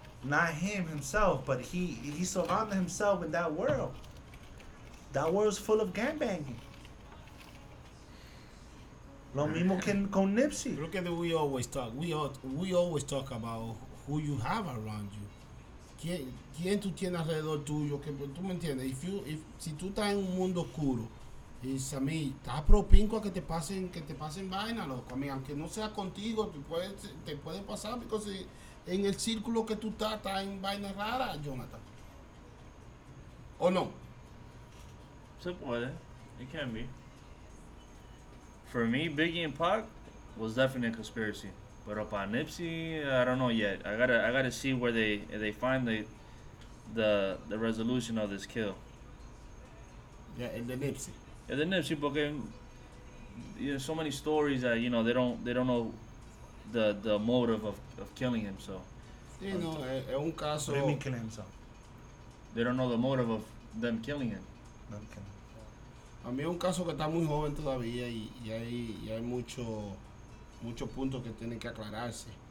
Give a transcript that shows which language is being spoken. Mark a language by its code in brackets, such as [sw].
[en] Not him himself, but he surrounded himself in that world. That world's full of gang banging. [es] Lo mismo que con Nipsey. [en] Look at the we always talk. We always talk about who you have around you. [es] ¿Quién tú tienes alrededor tuyo? ¿Tú me entiendes? Si tú estás en un mundo oscuro, es a mí, estás propinco a que te pasen vaina, loco. A mí, aunque no sea contigo, te puede pasar, porque en el círculo que tú estás en vaina rara, Jonathan. ¿O no? Se puede. [en] It can be. For me, Biggie and Pac was definitely a conspiracy. But upon Nipsey, I don't know yet. I gotta see where they find the resolution of this kill. Yeah, and the Nipsey. Yeah, the Nipsey, because you know, so many stories that you know they don't know the motive of killing him. So. You know, [es] es un caso. [en] Let me kill him, so. They don't know the motive of them killing him. [es] A mí es un caso que está muy joven todavía y hay mucho. Muchos puntos que tienen que aclararse.